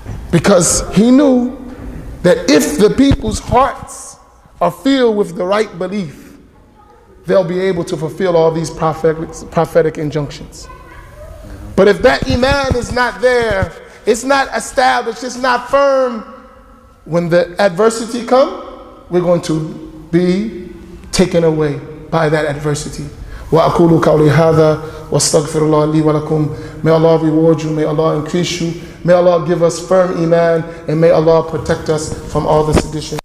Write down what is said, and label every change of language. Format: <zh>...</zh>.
<en>Because he knew that if the people's hearts are filled with the right belief, they'll be able to fulfill all these prophetic injunctions. But if that iman is not there, it's not established, it's not firm, when the adversity comes, we're going to be taken away by that adversity.</en> <ar>وأقول قولي هذا وأستغفر الله لي ولكم.</ar> <en>May Allah reward you, may Allah increase you, may Allah give us firm iman, and may Allah protect us from all the seditions.</en>